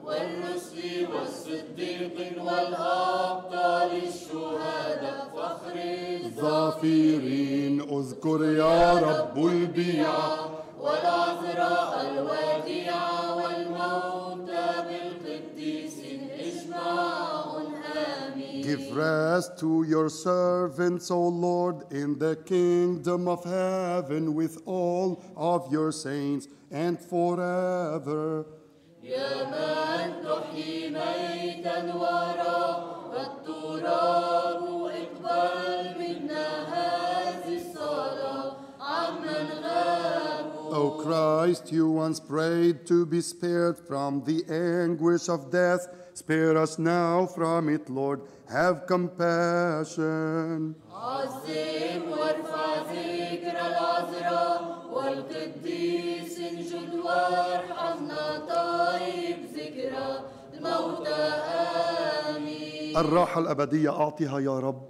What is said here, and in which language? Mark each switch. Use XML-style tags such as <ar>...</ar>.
<ar>والرسل والصديقين والأبطال الشهداء فخر الظافرين اذكر يا رب البيعة والعذراء الوديعة والموتى بالقديسين اجمع</ar> <en>Give rest to your servants, O Lord, in the kingdom of heaven with all of your saints and forever.</en> <ar>يا من تحيي ميتاً وراء التراب اقبل منا هذه الصلاة عمن غابوا</ar> <en>O Christ, you once prayed to be spared from the anguish of death. Spare us now from it, Lord. Have compassion.</en> <ar>عظيم وارفع ذكر العذراء والقديس انجد وارحمنا طيب ذكرى الموتى آمين. الراحة الأبدية أعطيها يا رب.</ar>